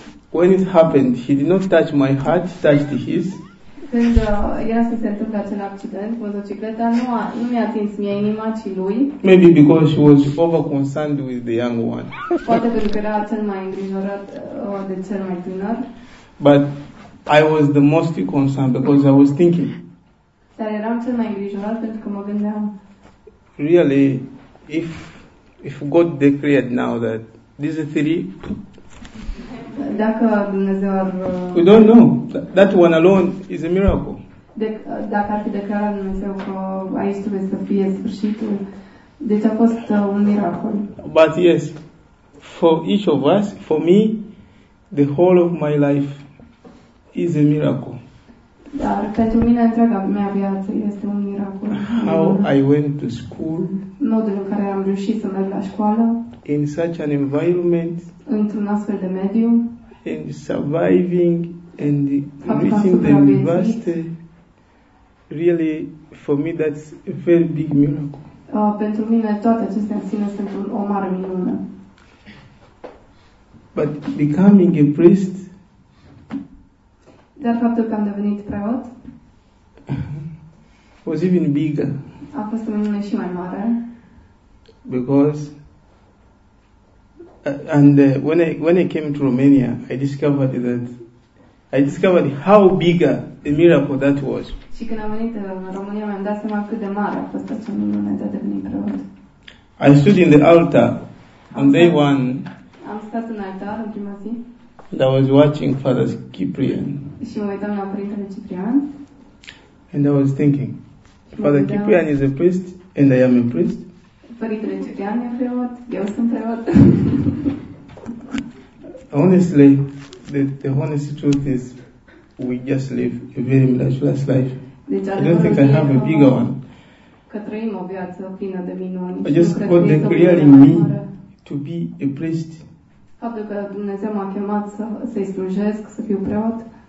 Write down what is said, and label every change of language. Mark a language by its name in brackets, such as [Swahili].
[English] When it happened, he did not touch my heart, he touched his. [Romanian] Când era să se întâmple acel accident, motocicleta nu mi-a atins mie inima, ci lui. [English] Maybe because she was over-concerned with the young one. [Romanian] Poate pentru că era cel mai îngrijorat de cel mai tânăr. [English] But I was the most concerned because I was thinking. [Romanian] Dar eram cel mai îngrijorat pentru că mă gândeam. [English] Really, if God declared now that these are three... [Romanian] Dacă Dumnezeu ar... [English] We don't know. That one alone is a miracle. [Romanian] Dacă ar fi declarat Dumnezeu că aici trebuie să fie sfârșitul, deci a fost un miracol. [English] But yes, for each of us, for me, the whole of my life is a miracle. [Romanian] Dar pentru mine întreaga mea viață este un miracol. [English] How I went to school. [Romanian] Modul în care am reușit să merg la școală. [English] In such an environment. [Romanian] Într-un astfel de mediu. [English] And surviving and reaching the university, really, for me, that's a very big miracle. [Romanian] Pentru mine, toate acestea în sine sunt o mare minune. [English] But becoming a priest, [Romanian] dar faptul că am devenit preot, [English] was even bigger. [Romanian] A fost o minune și mai mare. [English] Because... when I came to Romania, I discovered how big a miracle that was. [Romanian] Și când am venit în România, mi-am dat seama cât de mare a fost acea minune de a deveni preot. [English] I stood in the altar on day one. [Romanian] Am stat în altar în prima zi. [English] And I was watching Father Cyprian. [Romanian] Și mă uitam la Părintele Ciprian. [English] And I was thinking, Father Cyprian is a priest and I am a priest. [Romanian] Părintele Ciprian e preot, eu sunt preot. [English] Honestly, the honest truth is, we just live a very miraculous life. [Romanian] Deci, [English] I don't think I have a bigger one. [Romanian] Că trăim o viață plină de minuni. [English] I just got the clearing me to be a priest. [Romanian] Faptul că Dumnezeu m-a chemat să-i slujesc, să fiu preot.